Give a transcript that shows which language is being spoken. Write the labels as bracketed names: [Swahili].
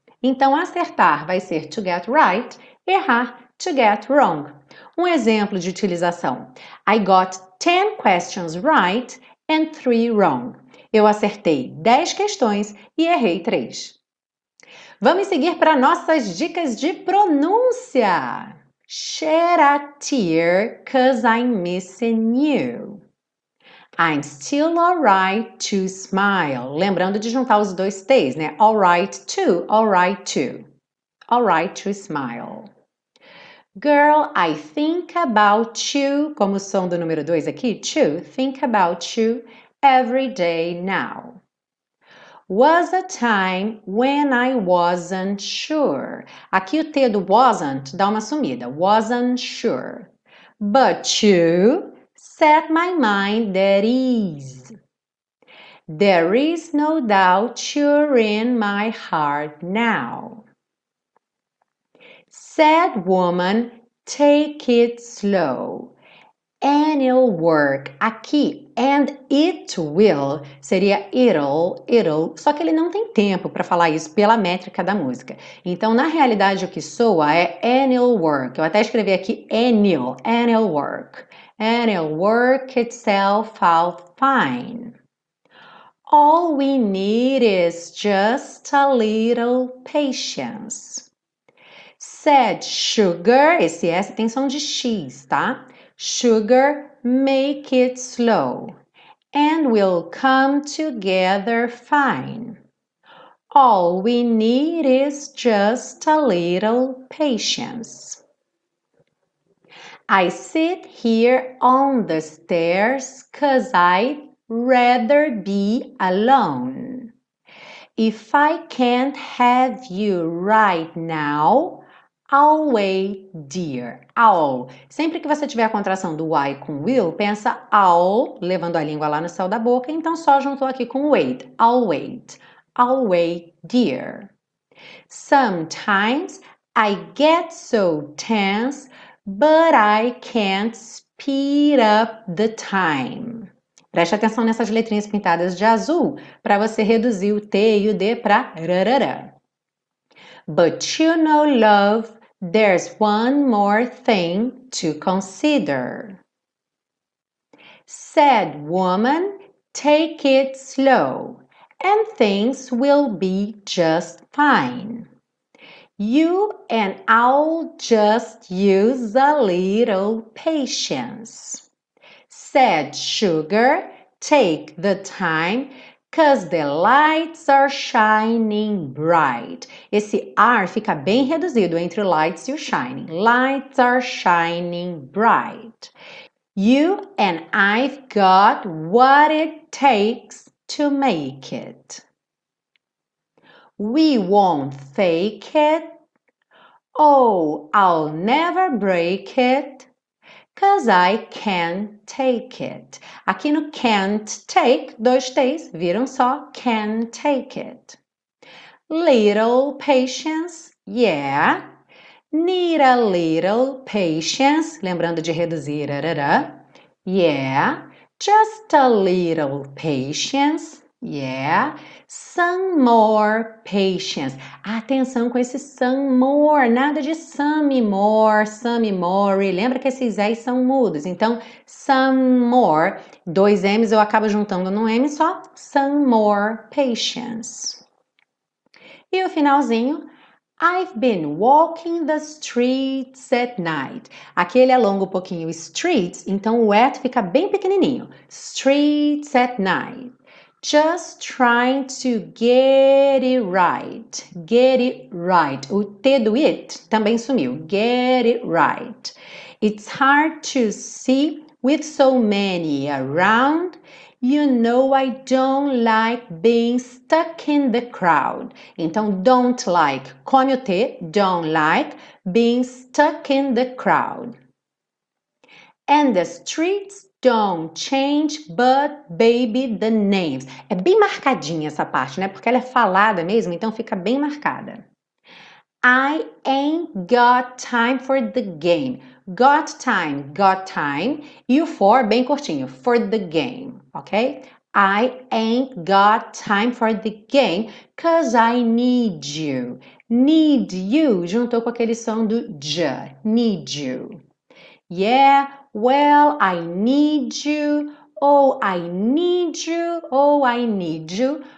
[Portuguese] Então acertar vai ser [English] to get right, [Portuguese] errar, [English] to get wrong. [Portuguese] Um exemplo de utilização: [English] I got 10 questions right and 3 wrong. [Portuguese] Eu acertei 10 questões e errei 3. Vamos seguir para nossas dicas de pronúncia. [English] Shed a tear, 'cause I'm missing you. I'm still alright to smile. [Portuguese] Lembrando de juntar os dois T's, né? [English] Alright to, alright to. Alright to smile. Girl, I think about you. [Portuguese] Como o som do número 2 aqui, [English] to, think about you every day now. Was a time when I wasn't sure. [Portuguese] Aqui o T do wasn't dá uma sumida. [English] Wasn't sure. But you set my mind at ease. There is no doubt you're in my heart now. Said woman, take it slow. And it'll work. [Portuguese] Aqui, [English] and it will, [Portuguese] seria it'll, só que ele não tem tempo para falar isso pela métrica da música. Então, na realidade, o que soa é [English] and it'll work. [Portuguese] Eu até escrevi aqui and it'll work. [English] And it'll work itself out fine. All we need is just a little patience. Said sugar, [Portuguese] esse S tem som de X, tá? [English] Sugar, make it slow, and we'll come together fine. All we need is just a little patience. I sit here on the stairs 'cause I'd rather be alone. If I can't have you right now, I'll wait, dear. I'll. [Portuguese] Sempre que você tiver a contração do I com will, pensa I'll, levando a língua lá no céu da boca, então só juntou aqui com wait. [English] I'll wait. I'll wait, dear. Sometimes I get so tense, but I can't speed up the time. [Portuguese] Preste atenção nessas letrinhas pintadas de azul para você reduzir o T e o D para rarara. [English] But you know, love. There's one more thing to consider. Said woman, take it slow and things will be just fine. You and I'll just use a little patience. Said sugar, take the time. 'Cause the lights are shining bright. [Portuguese] Esse R fica bem reduzido entre o lights e o shining. [English] Lights are shining bright. You and I've got what it takes to make it. We won't fake it. Oh, I'll never break it. 'Cause I can't take it. [Portuguese] Aqui no [English] can't take, [Portuguese] dois T's, viram só, [English] can take it. Little patience, yeah. Need a little patience, [Portuguese] lembrando de reduzir, [English] arará. Yeah. Just a little patience, yeah. Some more patience. [Portuguese] Atenção com esse [English] some more, [Portuguese] nada de some more. Lembra que esses S são mudos. Então, [English] some more, [Portuguese] dois M's eu acabo juntando num M só. [English] Some more patience. [Portuguese] E o finalzinho, [English] I've been walking the streets at night. [Portuguese] Aqui ele alonga um pouquinho o streets, então o at fica bem pequenininho. [English] Streets at night. Just trying to get it right. Get it right. [Portuguese] O T do it também sumiu. [English] Get it right. It's hard to see with so many around. You know I don't like being stuck in the crowd. [Portuguese] Então, [English] don't like, [Portuguese] come o T, [English] don't like being stuck in the crowd. And the streets don't change but baby the names. [Portuguese] É bem marcadinha essa parte, né? Porque ela é falada mesmo, então fica bem marcada. [English] I ain't got time for the game. Got time, [Portuguese] e o [English] for [Portuguese] bem curtinho, [English] for the game, ok? I ain't got time for the game, 'cause I need you. Need you, [Portuguese] juntou com aquele som do j, [English] need you. Yeah, well, I need you, oh, I need you, oh, I need you.